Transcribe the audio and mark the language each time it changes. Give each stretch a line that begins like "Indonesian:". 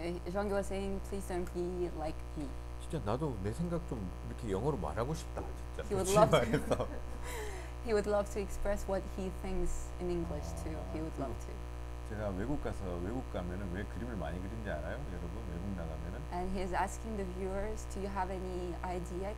English: Zhonggi was saying, please don't be like me.
Korean: 진짜 나도 내 생각 좀 이렇게 영어로 말하고 싶다. 진짜.
English: He would love to. He would love to express what he thinks in English too. He would love to.
Korean: 제가 외국 가서 외국 가면은 왜 그림을 많이 그리는지 알아요, 여러분? 외국 나가면은.
English: And he is asking the viewers, do you have any idea?